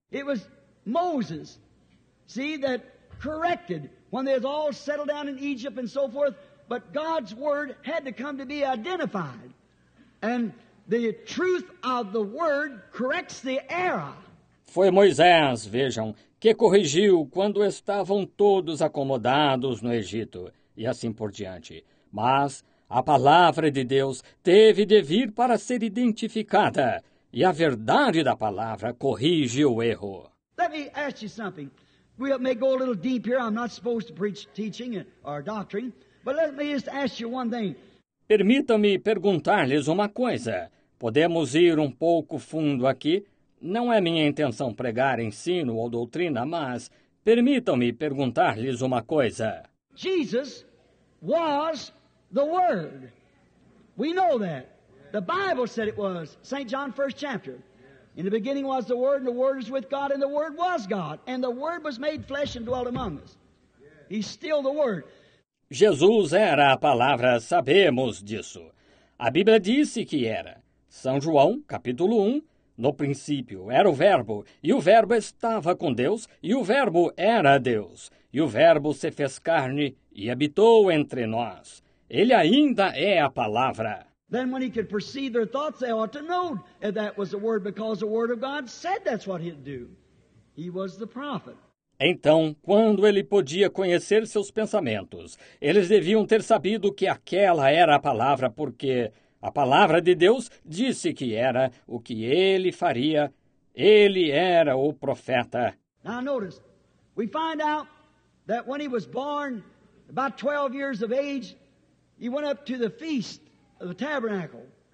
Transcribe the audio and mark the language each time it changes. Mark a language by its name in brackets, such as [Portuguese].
[English] It was Moses, see, that corrected when they all settled down in Egypt and so forth, but God's word had to come to be identified. And the truth of the word corrects the error. [Portuguese] Foi Moisés, vejam, que corrigiu quando estavam todos acomodados no Egito, e assim por diante. Mas a palavra de Deus teve de vir para ser identificada, e a verdade da palavra corrige o erro. [English] Let me ask you something. We may go a little deep here. I'm not supposed to preach teaching or doctrine, but let me just ask you one thing. [Portuguese] Permita-me perguntar-lhes uma coisa. Podemos ir um pouco fundo aqui. Não é minha intenção pregar ensino ou doutrina, mas permitam-me perguntar-lhes uma coisa. [English] Jesus was the Word. We know that. The Bible said it was. St. John, first chapter. In the beginning was the Word, and the Word was with God, and the Word was God. And the Word was made flesh and dwelt among us. He's still the Word. [Portuguese] Jesus era a palavra, sabemos disso. A Bíblia disse que era. São João, capítulo 1. No princípio era o Verbo, e o Verbo estava com Deus, e o Verbo era Deus. E o Verbo se fez carne e habitou entre nós. Ele ainda é a palavra. [English] Then when he could perceive their thoughts, they ought to know that that was the Word, because the Word of God said that's what he'd do. He was the prophet. [Portuguese] Então, quando ele podia conhecer seus pensamentos, eles deviam ter sabido que aquela era a palavra, porque a palavra de Deus disse que era o que ele faria. Ele era o profeta. [English] Now notice, we find out that when he was born, about 12 years of age, he went up to the feast of the tabernacle.